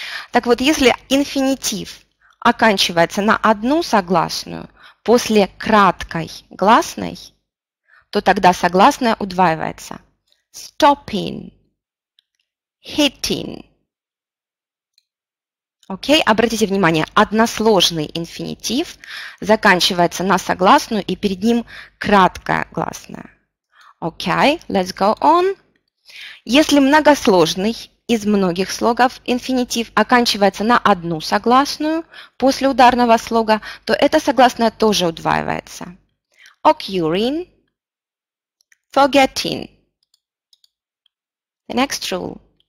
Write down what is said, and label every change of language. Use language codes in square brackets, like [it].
[ru] Так вот, если инфинитив оканчивается на одну согласную после краткой гласной, то тогда согласная удваивается. [en] Stopping, hitting. [ru] Окей, обратите внимание, односложный инфинитив заканчивается на согласную и перед ним краткая гласная. [en] Окей, let's go on. [ru] Если многосложный из многих слогов инфинитив оканчивается на одну согласную после ударного слога, то эта согласная тоже удваивается. [en] Occurring, forgetting. The next rule.